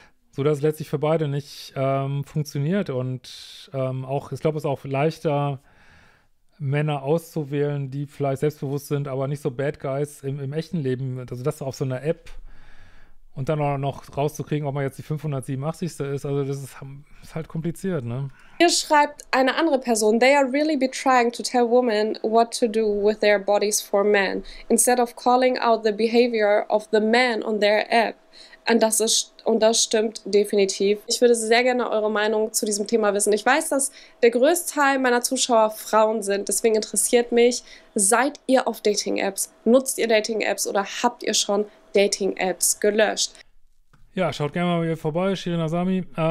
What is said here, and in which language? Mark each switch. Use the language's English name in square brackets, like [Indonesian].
[German] Sodass es letztlich für beide nicht funktioniert. Und auch, ich glaube, es ist auch leichter, Männer auszuwählen, die vielleicht selbstbewusst sind, aber nicht so Bad Guys im echten Leben. Also das auf so einer App und dann auch noch rauszukriegen, ob man jetzt die 587. ist, also das ist halt kompliziert, ne? Hier schreibt eine andere Person, [English] they are really be trying to tell women what to do with their bodies for men, instead of calling out the behavior of the man on their app. [German] Und das stimmt definitiv. Ich würde sehr gerne eure Meinung zu diesem Thema wissen. Ich weiß, dass der größte Teil meiner Zuschauer Frauen sind. Deswegen interessiert mich, seid ihr auf Dating-Apps? Nutzt ihr Dating-Apps oder habt ihr schon Dating-Apps gelöscht? Ja, schaut gerne mal hier vorbei. Shirin Asami.